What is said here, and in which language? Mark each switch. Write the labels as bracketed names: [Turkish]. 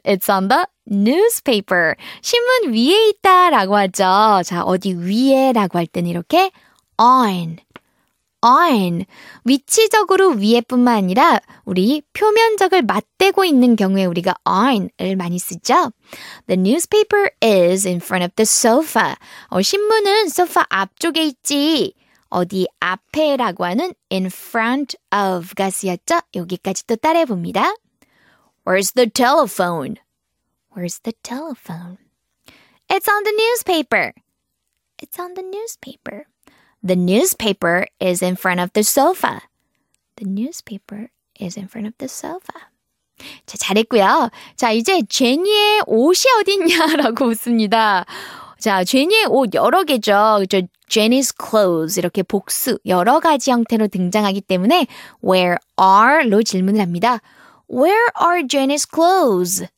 [English] It's on the newspaper. [Korean] 신문 위에 있다 라고 하죠. 자, 어디 위에 라고 할 땐 이렇게 on. [English] On. [Korean] 위치적으로 위에 뿐만 아니라 우리 표면적을 맞대고 있는 경우에 우리가 on을 많이 쓰죠. [English] The newspaper is in front of the sofa. [Korean] 신문은 소파 앞쪽에 있지. 어디 앞에 라고 하는 in front of가 쓰였죠. 여기까지 또 따라해 봅니다. [English] Where's the telephone? Where's the telephone? It's on the newspaper. It's on the newspaper. The newspaper is in front of the sofa. The newspaper is in front of the sofa. [Korean] 자, 잘했고요. 자, 이제 제니의 옷이 어딨냐라고 묻습니다. 자, 제니의 옷 여러 개죠. 그렇죠? Jenny's clothes 이렇게 복수 여러 가지 형태로 등장하기 때문에 where are로 질문을 합니다. [English] Where are Jenny's clothes?